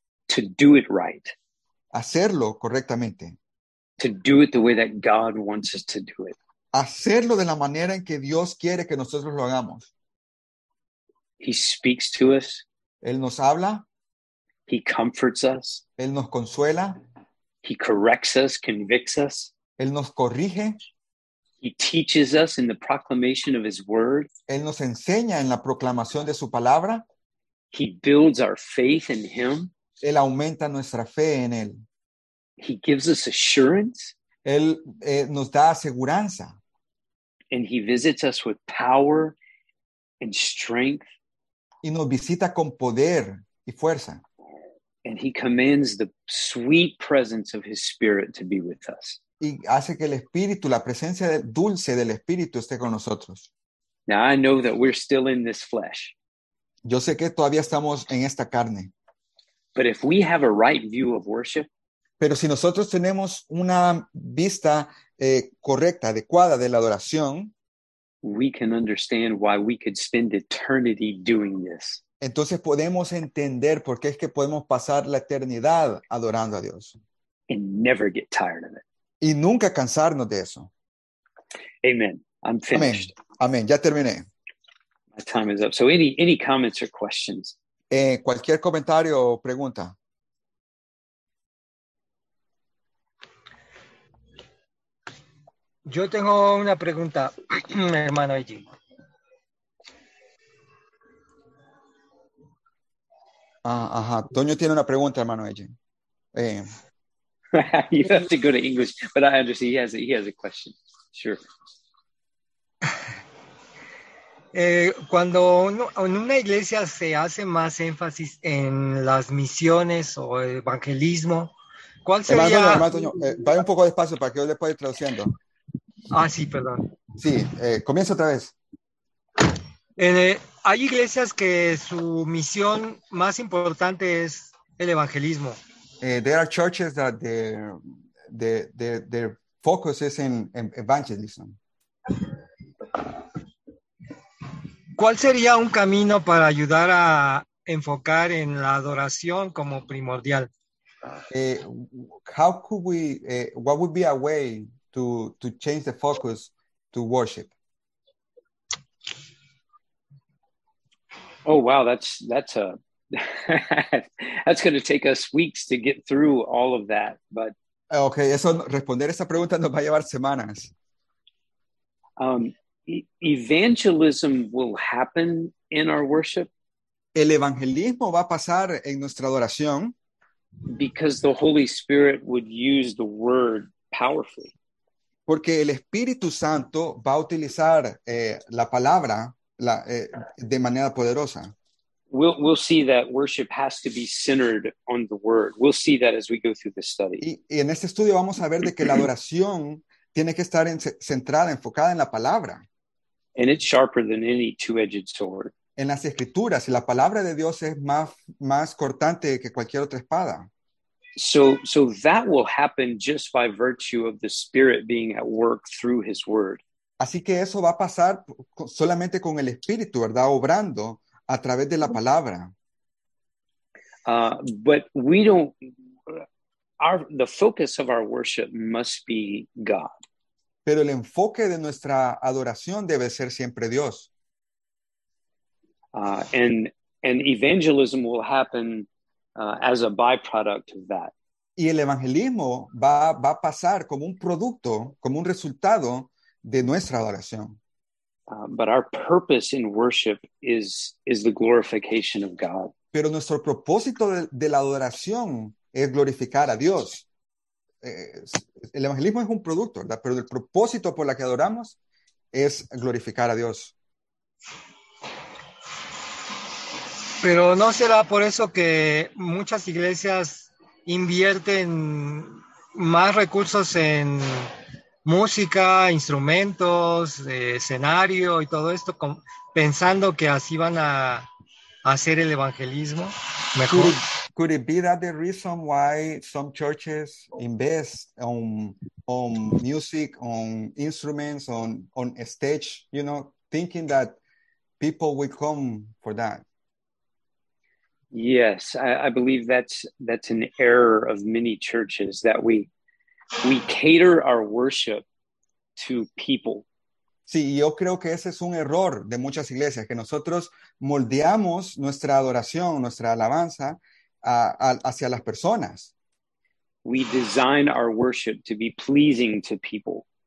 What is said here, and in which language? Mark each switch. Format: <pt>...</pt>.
<en>To do it right.</en> <es>Hacerlo correctamente.</es> <en>To do it the way that God wants us to do it.</en> <es>Hacerlo de la manera en que Dios quiere que nosotros lo hagamos.</es> <en>He speaks to us.</en> <es>Él nos habla.</es> <en>He comforts us.</en> <es>Él nos consuela.</es> <en>He corrects us, convicts us.</en> <es>Él nos corrige.</es> <en>He teaches us in the proclamation of his word.</en> <es>Él nos enseña en la proclamación de su palabra.</es> <en>He builds our faith in him.</en> <es>Él aumenta nuestra fe en Él.</es> <en>He gives us assurance.</en> <es>Él nos da aseguranza.</es> <en>And he visits us with power and strength.</en> <es>Y nos visita con poder y fuerza.</es> <en>And he commands the sweet presence of his spirit to be with us.</en> <es>Y hace que el Espíritu, la presencia dulce del Espíritu esté con nosotros.</es> <en>Now I know that we're still in this flesh.</en> <es>Yo sé que todavía estamos en esta carne.</es> <en>But if we have a right view of worship,</en> <es>Pero si nosotros tenemos una vista correcta, adecuada de la adoración,</es> <en>we can understand why we could spend eternity doing this.</en> <es>entonces podemos entender por qué es que podemos pasar la eternidad adorando a Dios.</es> <en>And never get tired of it.</en> <es>Y nunca cansarnos de eso.</es> <en>Amen. I'm finished.</en> <es>Amén. Ya terminé.</es> <en>My time is up. So any comments or questions?</en> <es>Cualquier comentario o pregunta. Yo tengo una pregunta, hermano allí. Ajá, Toño tiene una pregunta, hermano Eje.</es> <en>You have to go to English, but I understand he has a question. Sure.</en> <es>Cuando uno, en una iglesia se hace más énfasis en las misiones o el evangelismo, ¿cuál Hermano sería? Toño, vaya un poco despacio para que yo le pueda ir traduciendo. Ah, sí, perdón. Sí, comienza otra vez. Hay iglesias que su misión más importante es el evangelismo.</es> <en>There are churches that their focus is in evangelism.</en> <es>¿Cuál sería un camino para ayudar a enfocar en la adoración como primordial?</es> <en>How could we, what would be a way to change the focus to worship? Oh wow, that's going to take us weeks to get through all of that, but</en> <es>Okay, eso responder esa pregunta nos va a llevar semanas.</es> <en>evangelism will happen in our worship</en> <es>El evangelismo va a pasar en nuestra adoración.</es> <en>because the Holy Spirit would use the word powerfully.</en> <es>Porque el Espíritu Santo va a utilizar la palabra de manera poderosa.</es> <en>We'll see that worship has to be centered on the word. We'll see that as we go through this study.</en> <es>Y en este estudio vamos a ver de que la adoración tiene que estar centrada, enfocada en la palabra.</es> <en>And it's sharper than any two-edged sword.</en> <es>En las escrituras, y la palabra de Dios es más cortante que cualquier otra espada.</es> <en>So that will happen just by virtue of the Spirit being at work through His Word.</en> <es>Así que eso va a pasar solamente con el Espíritu, ¿verdad? Obrando a través de la palabra.</es> <en>But we don't. The focus of our worship must be God.</en> <es>Pero el enfoque de nuestra adoración debe ser siempre Dios.</es> <en>And evangelism will happen as a byproduct of that.</en> <es>Y el evangelismo va a pasar como un producto, como un resultado de nuestra adoración.</es> <en>But our purpose in worship is the glorification of God.</en> <es>Pero nuestro propósito de la adoración es glorificar a Dios. El evangelismo es un producto, ¿verdad? Pero el propósito por la que adoramos es glorificar a Dios. Pero ¿no será por eso que muchas iglesias invierten más recursos en música, instrumentos, escenario y todo esto, pensando que así van a hacer el evangelismo mejor?</es> <en>Could it be that the reason why some churches invest on music, on instruments, on stage, you know, thinking that people will come for that? Yes, I believe that's an error of many churches that we cater our worship to people.</en> <es>Sí, yo creo que ese es un error de muchas iglesias, que nosotros moldeamos nuestra adoración, nuestra alabanza hacia las personas.</es> <en>We design our worship to be pleasing to people.</en>